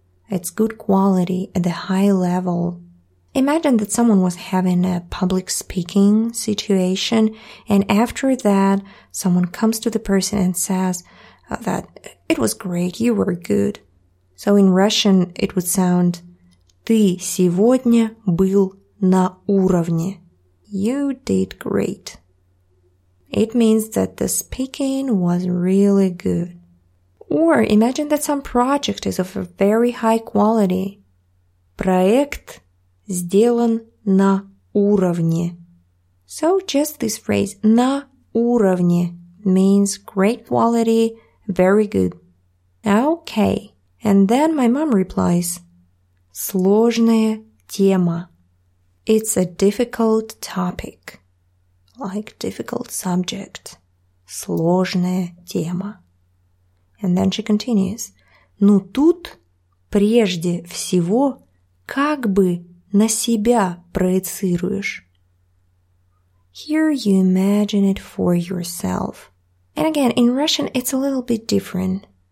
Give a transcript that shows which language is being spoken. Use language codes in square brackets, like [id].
[en] It's good quality at the high level. Imagine that someone was having a public speaking situation and after that someone comes to the person and says that it was great, you were good. So in Russian it would sound [ru] Ты сегодня был на уровне. [en] You did great. It means that the speaking was really good. Or imagine that some project is of a very high quality. [ru] Проект сделан на уровне. [en] So just this phrase, на уровне, means great quality, very good. Okay, and then my mom replies, [ru] сложная тема. [en] It's a difficult topic, like difficult subject. [ru] Сложная тема. [en] And then she continues, [ru] но тут прежде всего как бы на себя проецируешь. [en] Here you imagine it for yourself. And again, in Russian it's a little bit different.